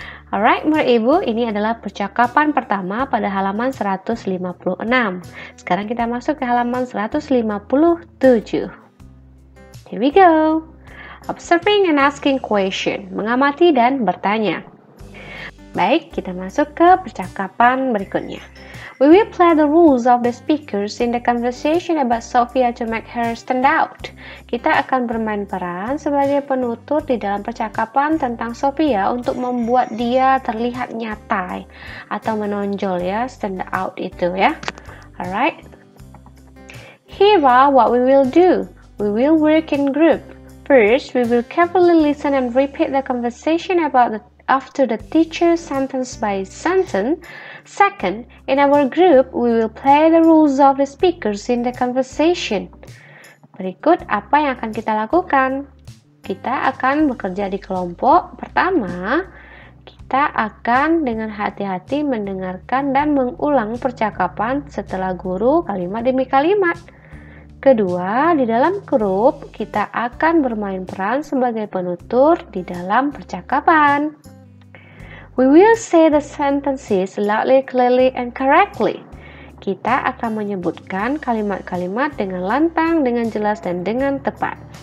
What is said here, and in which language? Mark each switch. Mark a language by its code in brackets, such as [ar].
[id] Alright, Murid Ibu, ini adalah percakapan pertama pada halaman 156. Sekarang kita masuk ke halaman 157. [en] Here we go. Observing and asking question. [id] Mengamati dan bertanya. Baik, kita masuk ke percakapan berikutnya. [en] We will play the roles of the speakers in the conversation about Sophia to make her stand out. [id] Kita akan bermain peran sebagai penutur di dalam percakapan tentang Sophia untuk membuat dia terlihat nyata atau menonjol ya, [en] stand out [id] itu ya. [en] Alright. Here are what we will do. We will work in group. First, we will carefully listen and repeat the conversation about the after the teacher sentence by sentence. Second, in our group, we will play the roles of the speakers in the conversation. [id] Berikut apa yang akan kita lakukan. Kita akan bekerja di kelompok. Pertama, kita akan dengan hati-hati mendengarkan dan mengulang percakapan setelah guru kalimat demi kalimat. Kedua, di dalam grup, kita akan bermain peran sebagai penutur di dalam percakapan. [en] We will say the sentences loudly, clearly, and correctly. [id] Kita akan menyebutkan kalimat-kalimat dengan lantang, dengan jelas, dan dengan tepat.